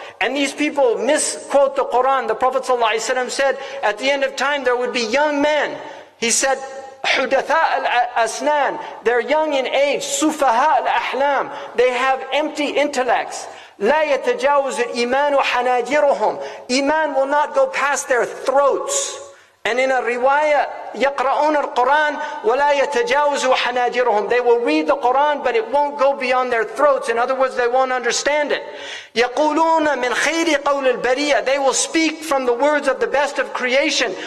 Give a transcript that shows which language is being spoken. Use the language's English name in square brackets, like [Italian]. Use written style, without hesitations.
[English] And these people misquote the Quran. The Prophet sallallahu alaihi wasallam said, at the end of time, there would be young men. He said, [Arabic] حُدَثَاء الْأَسْنَانِ. [English] They're young in age. [Arabic] سُفَهَاء الْأَحْلَامِ. [English] They have empty intellects. [Arabic] لَا يَتَجَاوزُ الْإِيمَانُ حَنَاجِرُهُمْ. [English] Iman will not go past their throats. And in a riwayah, [Arabic] يَقْرَؤُونَ الْقُرَانِ وَلَا يَتَجَاوزُ حَنَاجِرُهُمْ. [English] They will read the Quran, but it won't go beyond their throats. In other words, they won't understand it. [Arabic] يَقُولُونَ مِنْ خَيْرِ قَوْلِ الْبَرِيَةِ. [English] They will speak from the words of the best of creation.